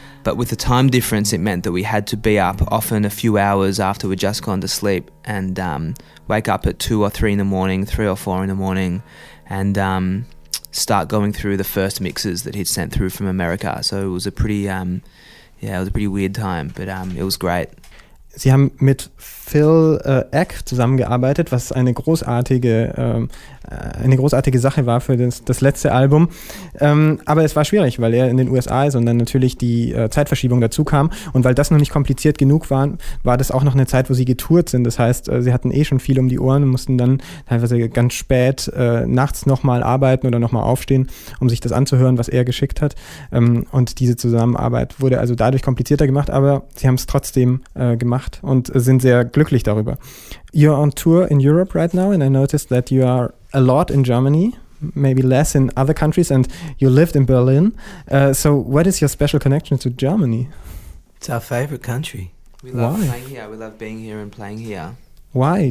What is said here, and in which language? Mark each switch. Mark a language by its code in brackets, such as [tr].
[en] But with the time difference, it meant that we had to be up often a few hours after we'd just gone to sleep and wake up at 2 or 3 in the morning, 3 or 4 in the morning, and... start going through the first mixes that he'd sent through from America. So it was a pretty weird time, but it was great. [de] Sie haben mit Phil Eck zusammengearbeitet, was eine großartige Sache war für das letzte Album. Aber es war schwierig, weil er in den USA ist und dann natürlich die Zeitverschiebung dazu kam. Und weil das noch nicht kompliziert genug war, war das auch noch eine Zeit, wo sie getourt sind. Das heißt, sie hatten eh schon viel um die Ohren und mussten dann teilweise ganz spät nachts nochmal arbeiten oder nochmal aufstehen, um sich das anzuhören, was er geschickt hat. Und diese Zusammenarbeit wurde also dadurch komplizierter gemacht, aber sie haben es trotzdem gemacht und sind sehr glücklich darüber. [en] You're on tour in Europe right now, and I noticed that you are a lot in Germany, maybe less in other countries, and you lived in Berlin. So what is your special connection to Germany? It's our favorite country. We love being here and playing here. Why?